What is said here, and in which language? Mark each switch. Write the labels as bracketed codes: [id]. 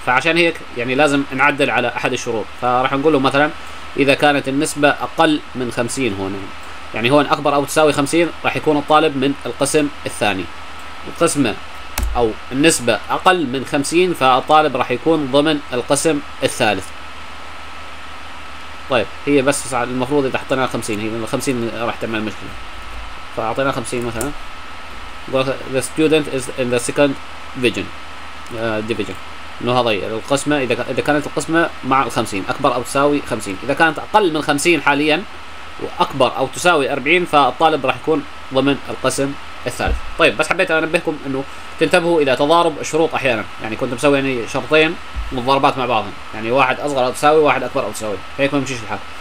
[ar] فعشان هيك يعني لازم نعدل على أحد الشروط. فراح نقول له مثلا إذا كانت النسبة أقل من 50 هون، يعني هون أكبر أو تساوي 50 راح يكون الطالب من القسم الثاني. القسمة أو النسبة أقل من 50 فالطالب راح يكون ضمن القسم الثالث. طيب هي بس المفروض إذا حطيناها 50، هي 50 راح تعمل مشكلة. فأعطينا 50 مثلا. [en] The student is in the second division. [ar] انه هذي القسمة اذا كانت القسمة مع الخمسين اكبر او تساوي 50. اذا كانت اقل من 50 حاليا واكبر او تساوي 40 فالطالب راح يكون ضمن القسم الثالث. طيب بس حبيت انبهكم انه تنتبهوا الى تضارب الشروط احيانا، يعني كنت مسوي يعني شرطين متضاربات مع بعضهم، يعني واحد اصغر او تساوي واحد اكبر او تساوي، هيك ما يمشيش الحال.